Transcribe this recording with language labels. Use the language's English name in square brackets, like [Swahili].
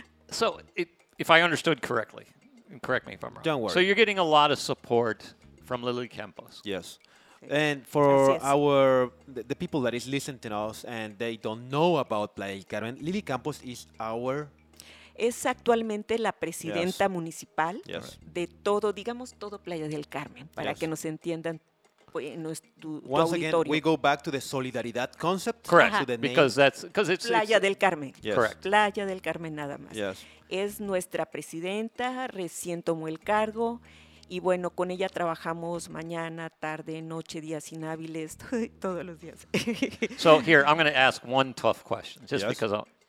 [English] So, if I understood correctly, correct me if I'm wrong. Don't worry. So you're getting a lot of support from Lily Campos. Yes. And for the people that is listening to us and they don't know about Playa del Carmen, Lily Campos is our... [Spanish] Es actualmente la presidenta municipal de todo, digamos, todo Playa del Carmen, para que nos entiendan tu auditorio. [English] Once again, we go back to the Solidaridad concept. Correct. To the name. Because it's Playa del Carmen. Yes. Correct. [Spanish] Playa del Carmen nada más. [English] Yes. [Spanish] Es nuestra presidenta, recién tomó el cargo. Y bueno, con ella trabajamos mañana, tarde, noche, días inhábiles, todos los días. [English] So here, I'm going to ask one tough question, just because I'll...